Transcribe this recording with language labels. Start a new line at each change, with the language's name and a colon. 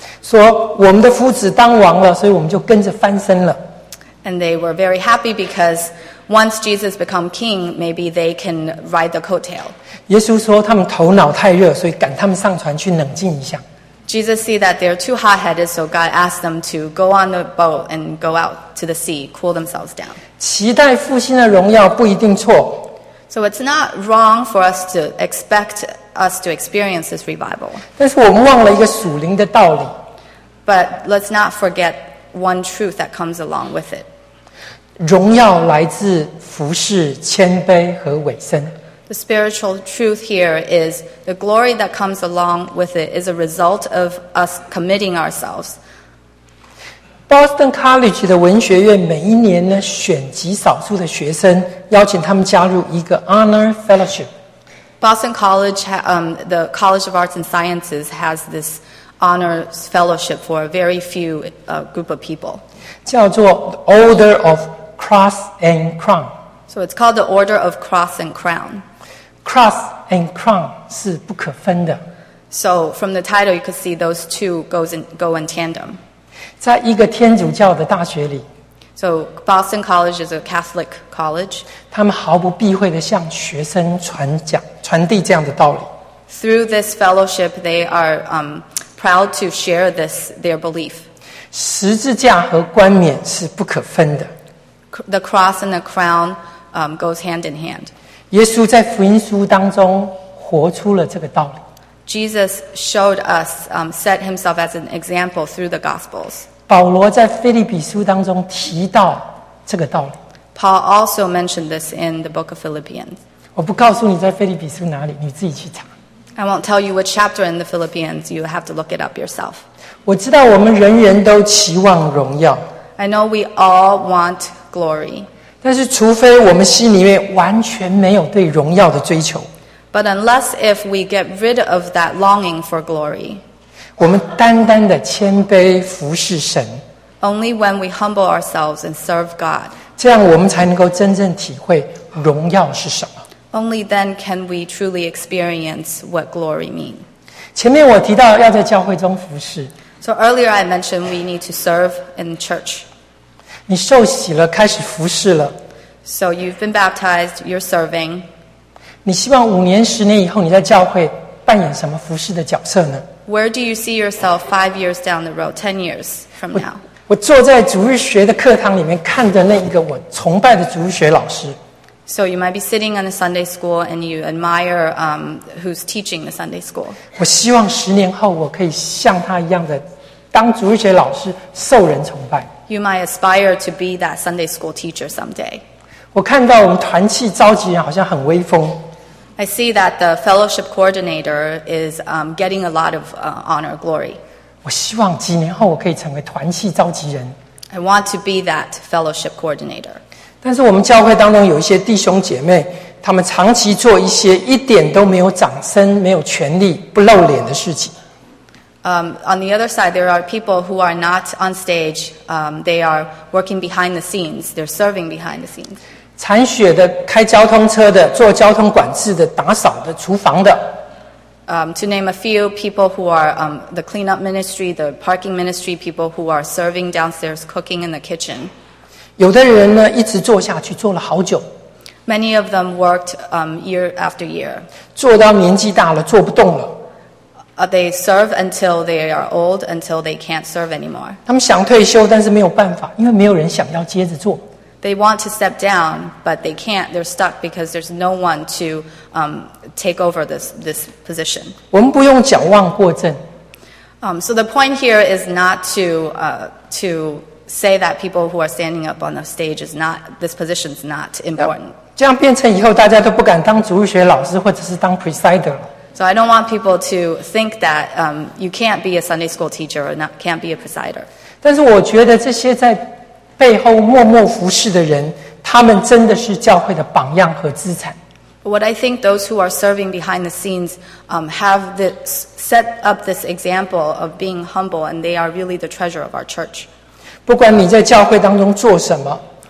Chinese: 说我们的夫子当王了，所以我们就跟着翻身了。
English: And they were very happy because once Jesus become king, maybe they can ride the coattail.
Chinese: 耶稣说他们头脑太热，所以赶他们上船去冷静一下。
English: Jesus see that they're too hot-headed, so God asked them to go on the boat and go out to the sea, cool themselves down.
Chinese: 期待复兴的荣耀不一定错。
English: So it's not wrong for us to expect us to experience this revival.
Chinese: 但是我们忘了一个属灵的道理。
English: But let's not forget one truth that comes along with it.
Chinese: 荣耀来自服事、谦卑和委身。
English: The spiritual truth here is the glory that comes along with it is a result of us committing ourselves.
Chinese: Boston College 的文学院每一年呢，选极少数的学生，邀请他们加入一个 Honor Fellowship。
English: Boston College, the College of Arts and Sciences has this honors fellowship for a very few group of people.
Chinese: 叫做 Order of Cross and Crown.
English: So it's called the Order of Cross and Crown.
Chinese: Cross and Crown 是不可分的。
English: So from the title, you could see those two go in tandem.
Chinese: 在一个天主教的大学里。
English: So Boston College is a Catholic college.
Chinese: 他们毫不避讳地向学生传递这样的道理。
English: Through this fellowship, they are proud to share their belief.
Chinese: 十字架和冠冕是不可分的。
English: The cross and the crown goes hand in hand.
Chinese: 耶稣在福音书当中活出了这个道理。
English: Jesus showed us, set himself as an example through the Gospels.
Chinese: 保罗在腓立比书当中提到这个道理。
English: Paul also mentioned this in the book of Philippians.
Chinese: 我不告诉你在腓立比书哪里，你自己去查。
English: I won't tell you which chapter in the Philippians. You have to look it up yourself.
Chinese: 我知道我们人人都期望荣耀。
English: I know we all want glory.
Chinese: 但是除非我们心里面完全没有对荣耀的追求。
English: But unless if we get rid of that longing for glory.
Chinese: 我们单单的谦卑服侍神。
English: Only when we humble ourselves and serve God.
Chinese: 这样我们才能够真正体会荣耀是什么。
English: Only then can we truly experience what glory means.
Chinese: 前面我提到要在教会中服侍。
English: So earlier I mentioned we need to serve in church.
Chinese: 你受洗了，开始服侍了。
English: So you've been baptized, you're serving.
Chinese: 你希望五年、十年以后你在教会扮演什么服侍的角色呢？
English: Where do you see yourself 5 years down the road, 10 years from now?
Chinese: 我坐在主日学的课堂里面看着那一个我崇拜的主日学老师。
English: So you might be sitting in a Sunday school and you admire who's teaching the Sunday school.
Chinese: 我希望十年后我可以像他一样的当主日学老师受人崇拜。
English: You might aspire to be that Sunday school teacher someday.
Chinese: 我看到我们团契召集人好像很威风。
English: I see that the fellowship coordinator is getting a lot of honor, glory.
Chinese: 我希望几年后我可以成为团契召集人。
English: I want to be that fellowship coordinator.
Chinese: 但是我们教会当中有一些弟兄姐妹，他们长期做一些一点都没有掌声、没有权力、不露脸的事情。
English: On the other side, there are people who are not on stage. They are working behind the scenes. They're serving behind the scenes.
Chinese: 铲雪的、开交通车的、做交通管制的、打扫的、厨房的。
English: To name a few people who are the cleanup ministry, the parking ministry, people who are serving downstairs, cooking in the kitchen.
Chinese: 有的人呢，一直做下去，做了好久。
English: Many of them worked year after year.
Chinese: 做到年纪大了，做不动了。
English: They serve until they are old, until they can't serve anymore.
Chinese: 他们想退休，但是没有办法，因为没有人想要接着做。
English: They want to step down, but they can't. They're stuck because there's no one to take over this position.
Chinese: 我们不用矫枉过正。
English: So the point here is not to say that people who are standing up on the stage is not, this position is not important.
Chinese: 这样变成以后大家都不敢当主日学老师或者是当 presider 了。
English: So I don't want people to think that you can't be a Sunday school teacher or not, can't be a presider.
Chinese: 但是我觉得这些在背后默默服侍的人，他们真的是教会的榜样和资产。
English: What I think those who are serving behind the scenes have this, set up this example of being humble, and they are really the treasure of our church.
Chinese: 不管你在教会当中做什么，